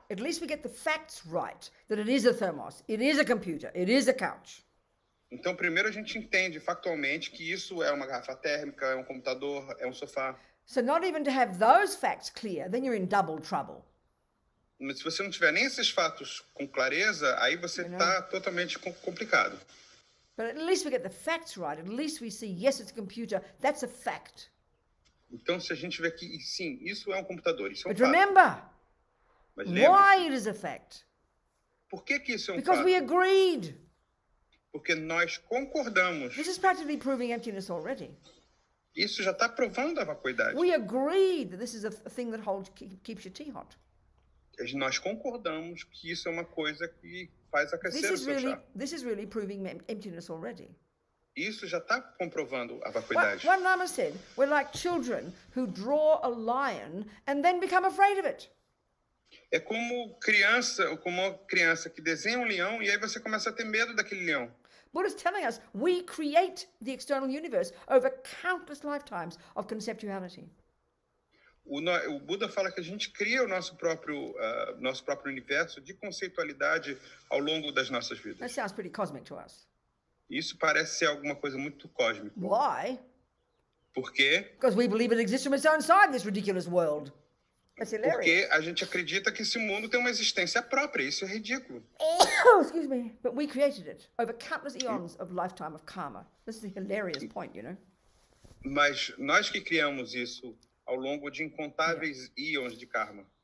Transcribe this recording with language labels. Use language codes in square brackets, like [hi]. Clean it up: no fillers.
[en] At least we get the facts right that it is a thermos, it is a computer, it is a couch. [pt] Então primeiro a gente entende factualmente que isso é uma garrafa térmica, é um computador, é um sofá. [en] So not even to have those facts clear, then you're in double trouble. [pt] Mas se você não tiver nem esses fatos com clareza, aí você está totalmente complicado. [en] But at least we get the facts right. At least we see, yes, it's a computer. That's a fact. [pt] Então, se a gente vê que, sim, isso é um computador. Isso é um [en] but [pt] fato. [en] Remember, why it is a fact? [pt] Por que que isso é um [en] because [pt] fato? [en] We agreed. [pt] Porque nós concordamos. [en] This is practically proving emptiness already. [pt] Isso já está provando a vacuidade. [en] We agreed that this is a thing that holds, keeps your tea hot. [pt] Nós concordamos que isso é uma coisa que faz aquecer [en] this [pt] o seu chá. [en] Really, this is really proving emptiness already. [pt] Isso já está comprovando a vacuidade. [en] One Lama said, we're like children who draw a lion and then become afraid of it. [pt] É como uma criança que desenha um leão e aí você começa a ter medo daquele leão. [en] Buddha's telling us we create the external universe over countless lifetimes of conceptuality. [pt] O Buda fala que a gente cria o nosso próprio universo de conceitualidade ao longo das nossas vidas. [en] That sounds pretty cosmic to us. [pt] Isso parece ser alguma coisa muito cósmica. [en] Why? [pt] Por quê? [en] Because we believe it exists from its own side, this ridiculous world. That's hilarious. [pt] Porque a gente acredita que esse mundo tem uma existência própria. Isso é ridículo. [en] Oh, excuse me. But we created it over countless eons of lifetime of karma. This is a hilarious point, you know? [pt] Mas nós que criamos isso ao longo de incontáveis íons de karma.